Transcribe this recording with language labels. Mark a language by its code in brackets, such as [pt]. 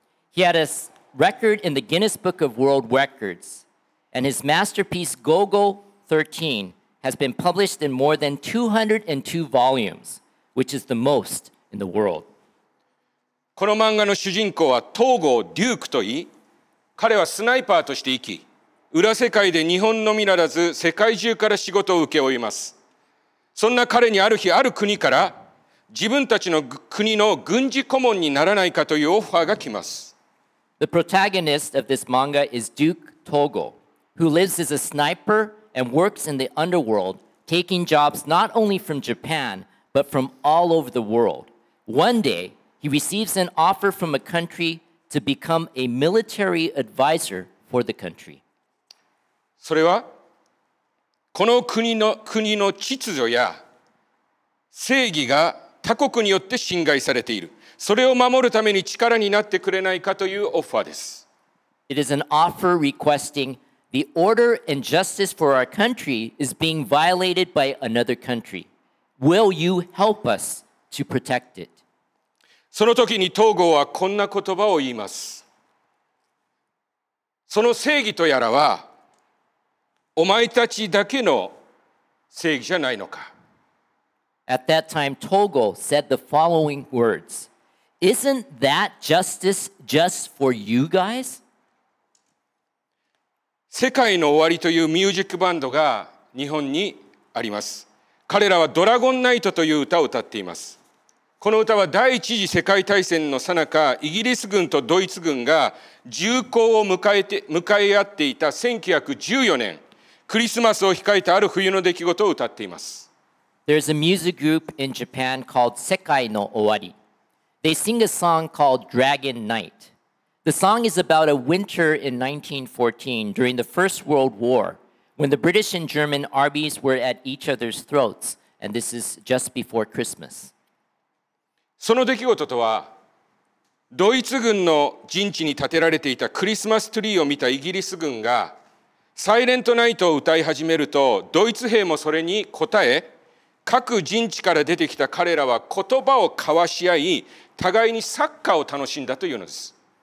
[en] He had a record in the Guinness Book of World Records, and his masterpiece Gogo 13 has been published in more than 202 volumes, which is the most in the world. [ja] この漫画の主人公は東郷デュークといい、彼はスナイパーとして生き、裏世界で日本のみならず世界中から仕事を請け負います。そんな彼にある日ある国から自分たちの国の軍事顧問にならないかというオファーが来ます。 [en] The protagonist of this manga is Duke Togo, who lives as a sniper and works in the underworld, taking jobs not only from Japan but from all over the world. One day he receives an offer from a country to become a military advisor for the country. [ja] それはこの国の秩序や正義が他国によって侵害されている。それを守るために力になってくれないかというオファーです。 [en] It is an offer requesting the order and justice for our country is being violated by another country. Will you help us to protect it? [ja] その時に東郷はこんな言葉を言います。その正義とやらはお前たちだけの正義じゃないのか。 [en] At that time, Togo said the following words. Isn't that justice just for you guys? [ja] 世界の終わりというミュージックバンドが日本にあります。彼らはドラゴンナイトという歌を歌っています。この歌は第一次世界大戦の最中、イギリス軍とドイツ軍が銃口を向かい合っていた1914年、クリスマスを控えたある冬の出来事を歌っています。 [en] There's a music group in Japan called Sekai no Owari. They sing a song called Dragon Knight. The song is about a winter in 1914 during the First World War, when the British and German armies were at each other's throats, and this is just before Christmas. [ja] その出来事とは、ドイツ軍の陣地に建てられていたクリスマスツリーを見たイギリス軍がサイレントナイトを歌い始めると、ドイツ兵もそれに応え、各陣地から出てきた彼らは言葉を交わし合い、互いにサッカーを楽しんだというのです。